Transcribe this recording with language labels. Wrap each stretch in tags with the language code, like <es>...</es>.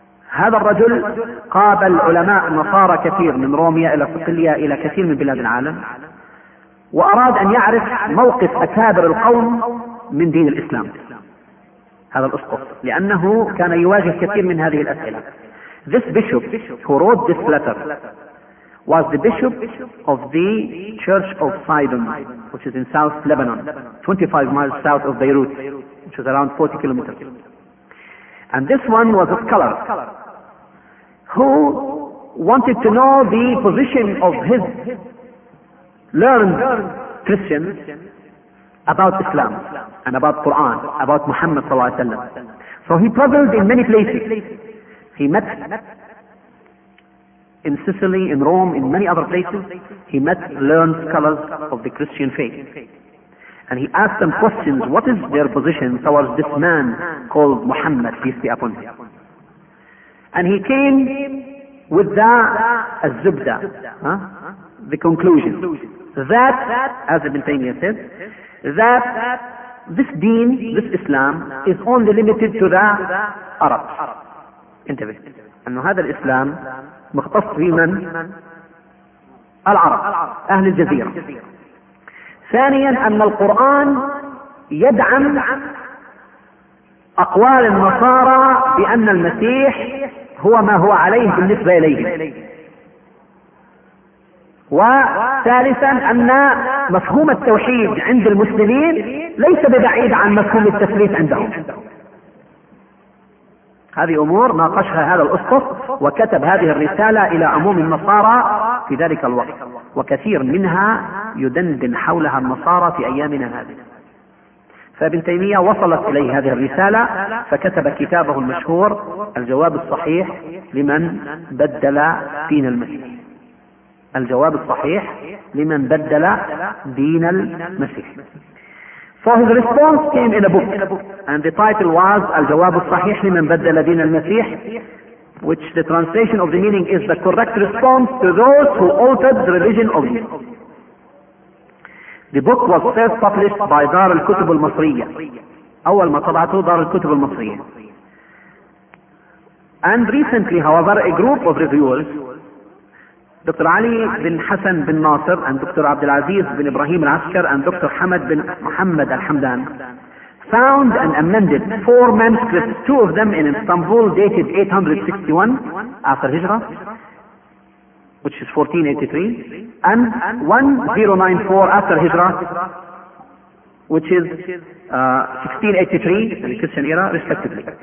<ar>هذا الرجل قابل علماء نصارى كثير من روميا إلى صقلية إلى كثير من بلاد العالم، وأراد أن يعرف موقف أكابر القوم من دين الإسلام. هذا الأسقف، لأنه كان يواجه كثير من هذه الأسئلة.</ar> <en>This bishop who wrote this letter was the bishop of the Church of Sidon, which is in South Lebanon, 25 miles south of Beirut, which is around 40 kilometers. And this one was a scholar who wanted to know the position of his learned Christian about Islam and about Quran, about Muhammad</en> <ar>صلى الله عليه وسلم.</ar> <en>So he traveled in many places. He met in Sicily, in Rome, in many other places. He met learned scholars of the Christian faith. And he asked them questions, what is their position towards this man called Muhammad, peace be upon him. And he came with the az-zubda, the conclusion, that, as Ibn Taymiyyah said, that this deen, this Islam, is only limited to the Arabs.</en> <ar>انتبه أن هذا الإسلام مختص بمن؟ العرب، أهل الجزيرة. ثانيا أن القرآن يدعم أقوال النصارى بأن المسيح هو ما هو عليه بالنسبة إليهم. وثالثا أن مفهوم التوحيد عند المسلمين ليس ببعيد عن مفهوم التثليث عندهم. هذه أمور ناقشها هذا الأسقف، وكتب هذه الرسالة إلى عموم النصارى في ذلك الوقت، وكثير منها يدندن حولها النصارى في أيامنا هذه. فابن تيمية وصلت إليه هذه الرسالة فكتب كتابه المشهور الجواب الصحيح لمن بدل دين المسيح. الجواب الصحيح لمن بدل دين المسيح.</ar> <en>So his response came in a book, And the title was Al-Jawab al-Sahih liman badala deen al-Masih, which the translation of the meaning is the correct response to those who altered the religion of Jesus. The book was first published by Dar al-Kutub al-Masriya.</en> <ar>أول ما طبعته دار الكتب المصرية.</ar> <en>And recently, however, a group of reviewers, Dr. Ali bin Hassan bin Nasser and Dr. Abdul Aziz bin Ibrahim al-Askar and Dr. Hamad bin Muhammad al-Hamdan, found and amended 4 manuscripts, 2 of them in Istanbul, dated 861 after Hijrah, which is 1483, and 1094 after Hijrah, which is 1683 in the Christian era, respectively.</en>